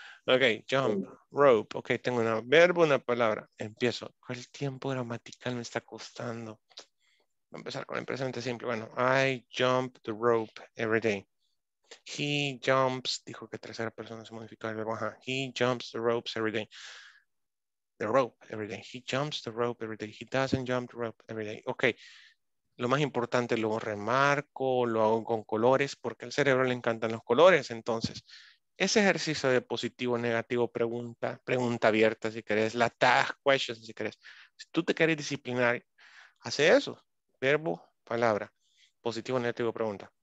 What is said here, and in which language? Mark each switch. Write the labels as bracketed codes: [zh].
[es] Ok, jump, rope. Ok, tengo un verbo, una palabra. Empiezo. ¿Cuál tiempo gramatical me está costando? Voy a empezar con el presente simple. Bueno, [en] I jump the rope every day. He jumps, [es] dijo que tercera persona se modificó el verbo. [en] Ajá. He jumps the ropes every day. The rope every day. He jumps the rope every day. He doesn't jump the rope every day. [es] Ok, lo más importante lo remarco, lo hago con colores, porque al cerebro le encantan los colores, entonces... Ese ejercicio de positivo, negativo, pregunta abierta, si querés, la task question, si querés. Si tú te quieres disciplinar, hace eso. Verbo, palabra, positivo, negativo, pregunta.